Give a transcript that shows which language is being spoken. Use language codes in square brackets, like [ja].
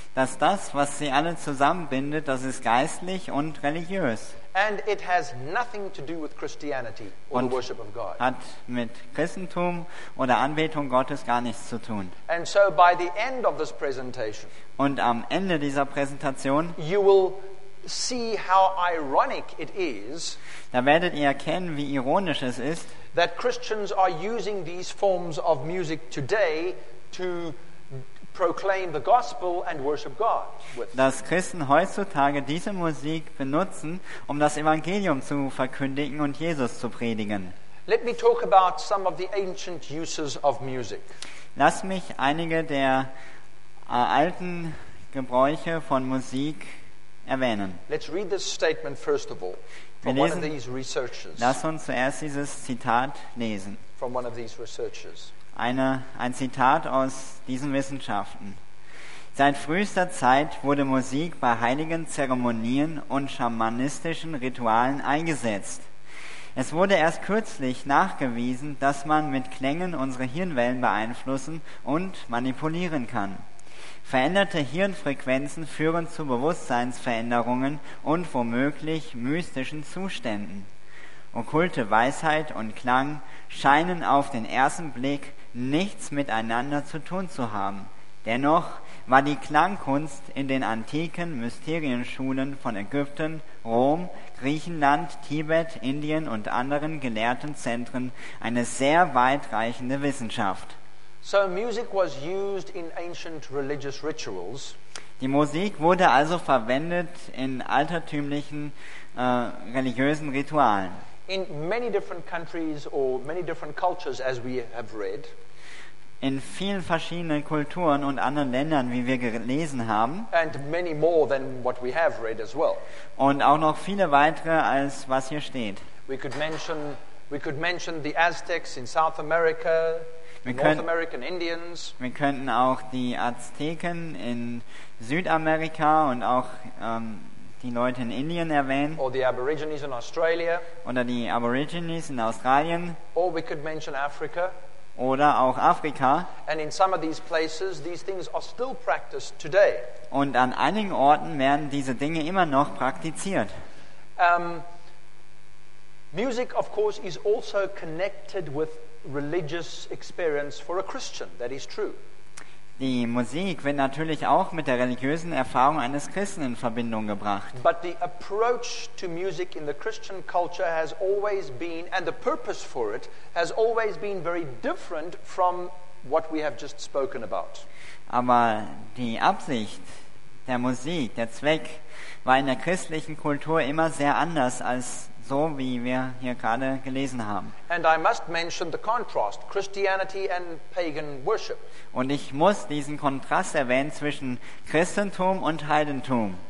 [de] Dass das, was sie alle zusammenbindet, das ist geistlich und religiös. [en] And it has nothing to do with Christianity or the worship of God. [de] Hat mit Christentum oder Anbetung Gottes gar nichts zu tun. [en] And so by the end of this presentation. [de] Und am Ende dieser Präsentation. [en] You will see how ironic it is. [de] Da werdet ihr erkennen, wie ironisch es ist. [en] That Christians are using these forms of music today to proclaim the gospel and worship God with. [de] Dass Christen heutzutage diese Musik benutzen, um das Evangelium zu verkündigen und Jesus zu predigen. [en] Let me talk about some of the ancient uses of music. [de] Lass mich einige der alten Gebräuche von Musik erwähnen. [en] Let's read this statement first of all. [de] Wir lesen, lass uns zuerst dieses Zitat lesen. [en] From one of these researchers. [de] Ein Zitat aus diesen Wissenschaften. Seit frühester Zeit wurde Musik bei heiligen Zeremonien und schamanistischen Ritualen eingesetzt. Es wurde erst kürzlich nachgewiesen, dass man mit Klängen unsere Hirnwellen beeinflussen und manipulieren kann. Veränderte Hirnfrequenzen führen zu Bewusstseinsveränderungen und womöglich mystischen Zuständen. Okkulte Weisheit und Klang scheinen auf den ersten Blick nichts miteinander zu tun zu haben. Dennoch war die Klangkunst in den antiken Mysterienschulen von Ägypten, Rom, Griechenland, Tibet, Indien und anderen gelehrten Zentren eine sehr weitreichende Wissenschaft. [en] So music was used in ancient religious rituals. [de] Die Musik wurde also verwendet in altertümlichen religiösen Ritualen. [en] In many different countries or many different cultures, as we have read. [de] in vielen verschiedenen Kulturen und anderen Ländern, wie wir gelesen haben. [en] And many more than what we have read as well. [de] Und auch noch viele weitere, als was hier steht. [en] We could mention the Aztecs in South America, North American Indians. [de] Wir könnten auch die Azteken in Südamerika und auch die Leute in Indien erwähnen. [en] Or the Aborigines in Australia. [de] Oder die Aborigines in Australien. [en] Or we could mention Africa. [de] Oder auch Afrika. [en] And in some of these places, these things are still practiced today. [de] Und an einigen Orten werden diese Dinge immer noch praktiziert. [en] Music, of course, is also connected with religious experience for a Christian. That is true. [de] Die Musik wird natürlich auch mit der religiösen Erfahrung eines Christen in Verbindung gebracht. [en] But the approach to music in the Christian culture has always been, and the purpose for it has always been, very different from what we have just spoken about. [de] Aber die Absicht der Musik, der Zweck, war in der christlichen Kultur immer sehr anders als so, wie wir hier gerade gelesen haben. [en] And I must mention the contrast, Christianity and pagan worship. [de] Und ich muss diesen Kontrast erwähnen zwischen Christentum und Heidentum.